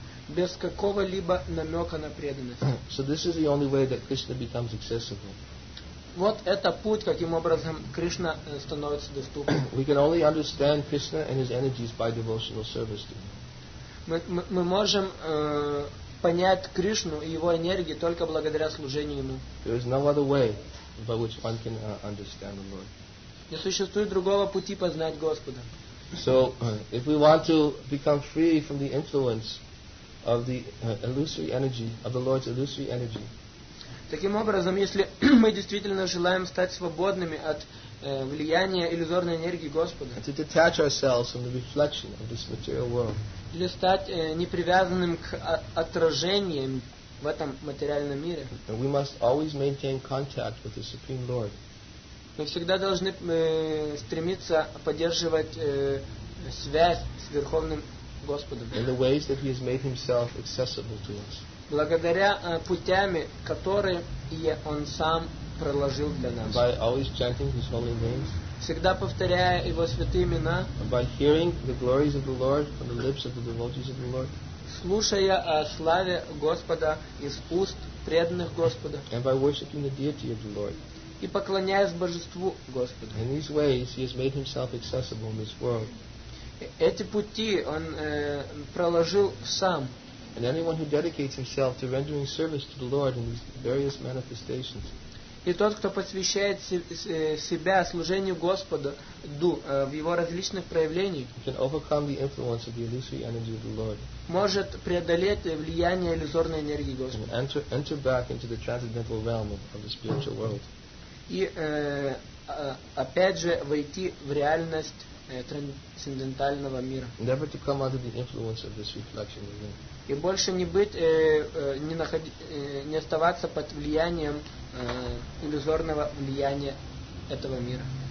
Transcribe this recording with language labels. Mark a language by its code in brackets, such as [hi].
[ru] Без какого-либо намека на преданность. [en] So this is the only way that Krishna becomes accessible. [ru] Вот это путь, каким образом Кришна становится доступным. [en] We can only understand Krishna and his energies by devotional service to him. [ru] Мы можем понять Кришну и его энергии только благодаря служению ему. [en] There is no other way by which one can understand the Lord. [ru] Не существует другого пути познать Господа. [en] So, if we want to become free from the influence of the illusory energy, of the Lord's illusory energy, [ru] таким образом, если мы действительно желаем стать свободными от влияния иллюзорной энергии Господа, [en] to detach ourselves from the reflection of this material world, [ru] или стать непривязанным к отражениям в этом материальном мире, [en] and we must always maintain contact with the Supreme Lord, [ru] мы всегда должны стремиться поддерживать связь с Верховным Господом. [en] In the ways that He has made Himself accessible to us. [ru] Благодаря путями, которые Он сам проложил для нас. [en] By always chanting His holy names. [ru] Всегда повторяя Его святые имена. [en] By hearing the glories of the Lord from the lips of the devotees of the Lord. [ru] Слушая о славе Господа из уст преданных Господа. [en] And by worshiping the deity of the Lord. [ru] И поклоняясь Божеству Господа. [en] In these ways He has made Himself accessible in this world. [ru] Эти пути Он проложил сам. [en] And anyone who dedicates himself to rendering service to the Lord in these various manifestations. [ru] И тот, кто посвящает себя служению Господу в его различных проявлениях, [en] can overcome the influence of the illusory energy of the Lord. [ru] Может преодолеть влияние иллюзорной энергии Господа. [en] And enter back into the transcendental realm of the spiritual world. [ru] И опять же войти в реальность трансцендентального мира. [en] Never to come under the influence of this reflection again. [ru] И больше не быть, не оставаться под влиянием иллюзорного влияния этого мира.